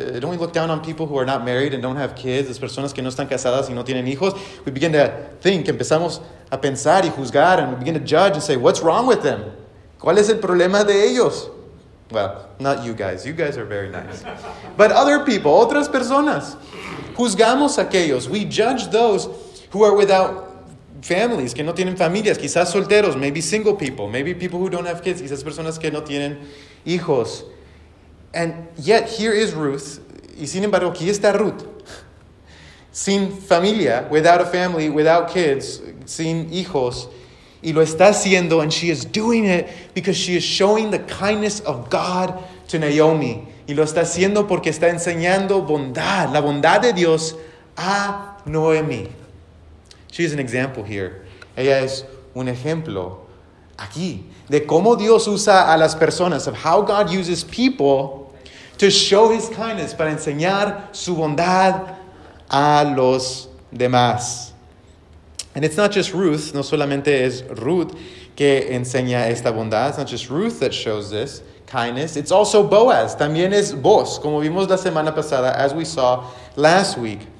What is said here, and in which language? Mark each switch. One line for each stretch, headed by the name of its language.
English: Don't we look down on people who are not married and don't have kids?
Spanish: Las personas que no están casadas y no tienen hijos.
English: We begin to think,
Spanish: empezamos a pensar y juzgar,
English: and we begin to judge and say, what's wrong with them?
Spanish: ¿Cuál es el problema de ellos?
English: Well, not you guys. You guys are very nice. But other people,
Spanish: otras personas. Juzgamos aquellos.
English: We judge those who are without families, que no tienen familias.
Spanish: Quizás solteros,
English: maybe single people, maybe people who don't have kids.
Spanish: Quizás personas que no tienen hijos.
English: And yet, here is Ruth.
Spanish: Y sin embargo, aquí está Ruth. Sin familia,
English: without a family, without kids,
Spanish: sin hijos. Y lo está haciendo,
English: and she is doing it because she is showing the kindness of God to Naomi.
Spanish: Y lo está haciendo porque está enseñando bondad, la bondad de Dios a Noemi.
English: She is an example here.
Spanish: Ella es un ejemplo aquí de cómo Dios usa a las personas,
English: of how God uses people to show his kindness,
Spanish: para enseñar su bondad a los demás.
English: And it's not just Ruth,
Spanish: no solamente es Ruth que enseña esta bondad.
English: It's not just Ruth that shows this kindness. It's also Boaz.
Spanish: También es Boaz, como vimos la semana pasada,
English: as we saw last week.